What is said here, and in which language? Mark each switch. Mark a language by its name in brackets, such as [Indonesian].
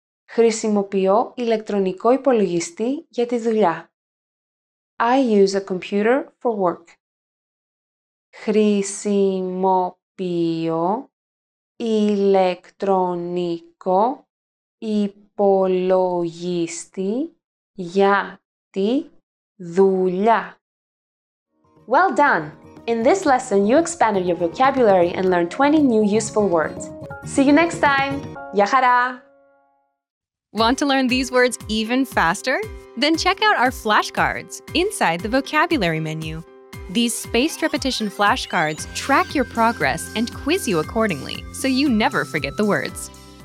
[Greek] Χρησιμοποιώ ηλεκτρονικό υπολογιστή για τη δουλειά. [English] I use a computer for work. [Greek] Χρησιμοποιώ ηλεκτρονικό υπολογιστή για τη δουλειά. [English] Well done! In this lesson, you expanded your vocabulary and learned 20 new useful words. See you next time! [Greek] Γεια χαρά! [English] Want to learn these words even faster? Then check out our flashcards inside the vocabulary menu. These spaced repetition flashcards track your progress and quiz you accordingly, so you never forget the words.